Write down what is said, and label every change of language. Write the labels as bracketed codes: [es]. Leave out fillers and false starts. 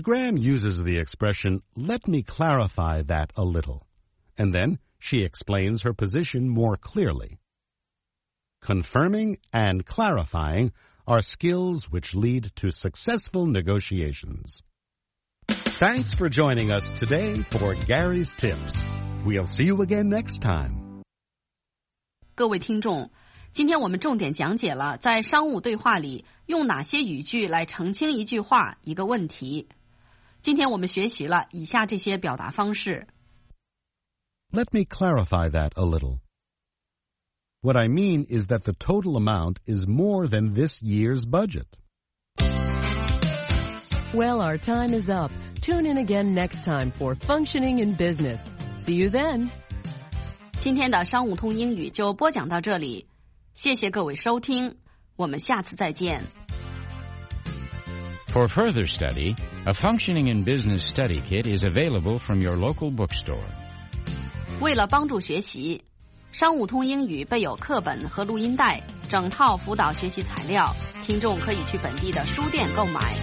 [en] Graham uses the expression, "Let me clarify that a little," and then she explains her position more clearly. Confirming and clarifying are skills which lead to successful negotiations. Thanks for joining us today for Gary's Tips. We'll see you again next time. [zh] 各位听众，今天我们重点讲解了在商务对话里用哪些语句来澄清一句话、一个问题。今天我们学习了以下这些表达方式。 [en] Let me clarify that a little. What I mean is that the total amount is more than this year's budget. Well, our time is up. Tune in again next time for Functioning in Business. See you then. [zh] 今天的商务通英语就播讲到这里。谢谢各位收听。我们下次再见。 [en] For further study, a Functioning in Business study kit is available from your local bookstore. [zh] 为了帮助学习，商务通英语备有课本和录音带，整套辅导学习材料，听众可以去本地的书店购买。